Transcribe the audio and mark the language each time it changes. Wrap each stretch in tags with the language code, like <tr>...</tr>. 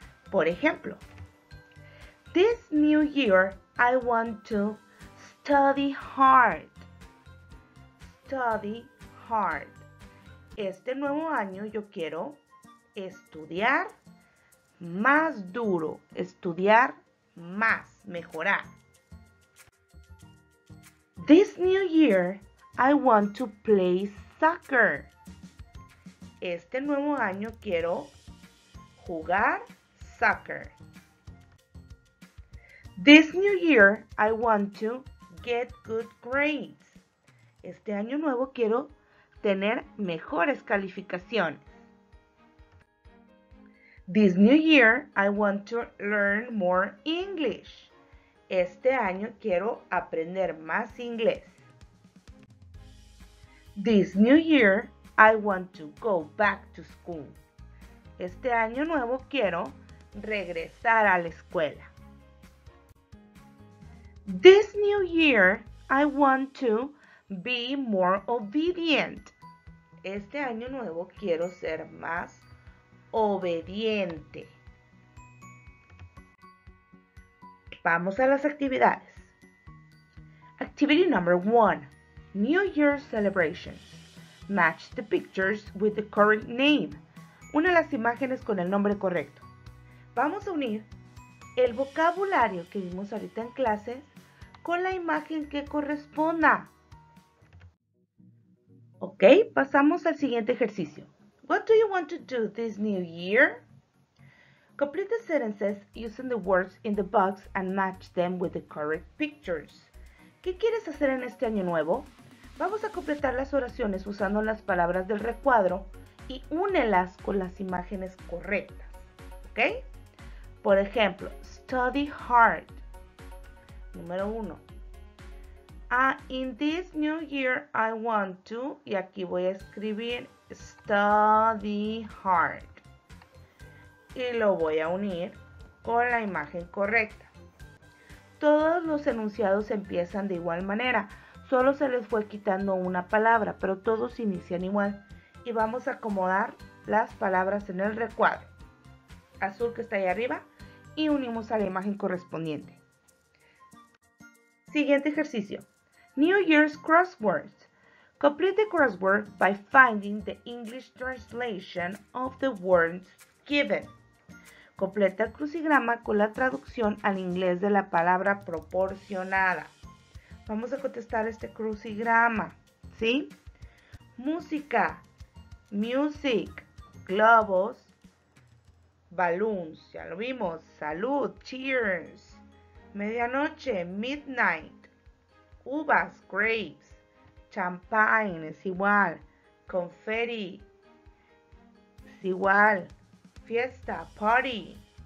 <es>Por ejemplo,</es> <en>this new year I want to study hard. Study hard.</en> <es>Este nuevo año yo quiero estudiar más duro. Estudiar más, mejorar.</es> <en>This new year, I want to play soccer.</en> <es>Este nuevo año quiero jugar soccer.</es> <en>This new year, I want to get good grades.</en> <es>Este año nuevo quiero tener mejores calificaciones.</es> <en>This new year, I want to learn more English.</en> <es>Este año quiero aprender más inglés.</es> <en>This new year, I want to go back to school.</en> <es>Este año nuevo quiero regresar a la escuela.</es> <en>This new year, I want to be more obedient.</en> <es>Este año nuevo quiero ser más obediente. Vamos a las actividades.</es> <en>Activity number one. New Year celebrations. Match the pictures with the correct name.</en> <es>Una las imágenes con el nombre correcto. Vamos a unir el vocabulario que vimos ahorita en clases con la imagen que corresponda. Ok, pasamos al siguiente ejercicio.</es> <en>What do you want to do this new year? Complete the sentences using the words in the box and match them with the correct pictures.</en> <es>¿Qué quieres hacer en este año nuevo? Vamos a completar las oraciones usando las palabras del recuadro y únelas con las imágenes correctas. ¿Ok? Por ejemplo,</es> <en>study hard.</en> <es>Número uno.</es> <en>In this new year I want to,</en> <es>y aquí voy a escribir,</es> <en>study hard.</en> <es>Y lo voy a unir con la imagen correcta. Todos los enunciados empiezan de igual manera. Solo se les fue quitando una palabra, pero todos inician igual. Y vamos a acomodar las palabras en el recuadro. Azul que está ahí arriba. Y unimos a la imagen correspondiente. Siguiente ejercicio.</es> <en>New Year's crosswords. Complete the crossword by finding the English translation of the words given.</en> <es>Completa el crucigrama con la traducción al inglés de la palabra proporcionada. Vamos a contestar este crucigrama, ¿sí? Música, music, globos, balloons, ya lo vimos, salud, cheers, medianoche, midnight, uvas, grapes, champagne, es igual, confetti, es igual, fiesta, party.</es>